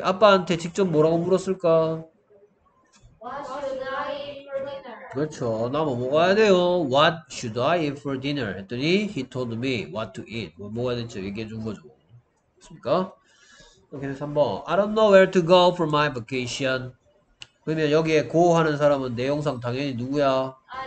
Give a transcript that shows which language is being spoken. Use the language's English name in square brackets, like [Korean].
[Korean] 아빠한테 직접 뭐라고 물었을까? [English] What [Korean] 그렇죠. 나뭐 먹어야 돼요? [English] What should I eat for dinner? [Korean] 했더니 [English] he told me what to eat. [Korean] 뭐 먹어야 될지 얘기해 준 거죠. 됐습니까? 오케이. 3번. [English] I don't know where to go for my vacation. [Korean] 그러면 여기에 go 하는 사람은 내용상 당연히 누구야?